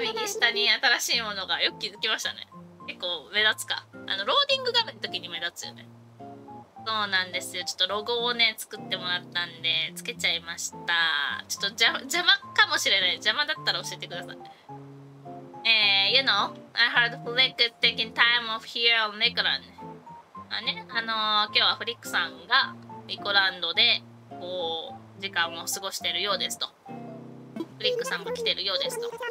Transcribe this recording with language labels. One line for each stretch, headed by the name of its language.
Japanese: 右下に新しいものが。よく気づきましたね。結構目立つか。ローディング画面の時に目立つよね。そうなんですよ。ちょっとロゴをね、作ってもらったんで、つけちゃいました。ちょっと邪魔かもしれない。邪魔だったら教えてください。
English: You know, I heard Flick is taking time off here on Nicolan.
Japanese: ね、今日はフリックさんがニコランドでこう時間を過ごしているようですと。フリックさんも来ているようですと。